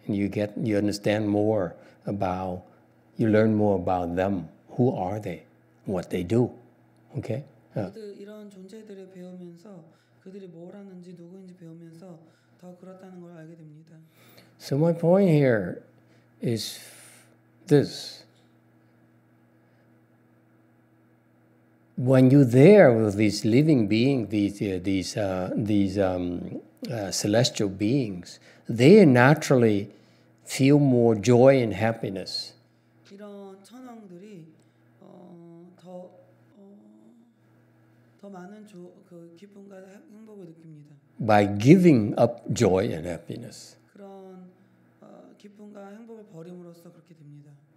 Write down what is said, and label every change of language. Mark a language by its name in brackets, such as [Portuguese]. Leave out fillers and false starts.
[English] And you understand more about, you learn more about them. Who are they? What they do, okay? [Korean] 이런 존재들을 배우면서 그들이 뭘 하는지 누구인지 배우면서 더 그렇다는 걸 알게 됩니다. [English] So my point here is this: when you're there with these living beings, celestial beings, they naturally feel more joy and happiness. [Korean] 이런 천왕들이 더 많은 그 기쁨과 행복을 느낍니다. [English] By giving up joy and happiness. [Korean] 그런 기쁨과 행복을 버림으로써 그렇게 됩니다.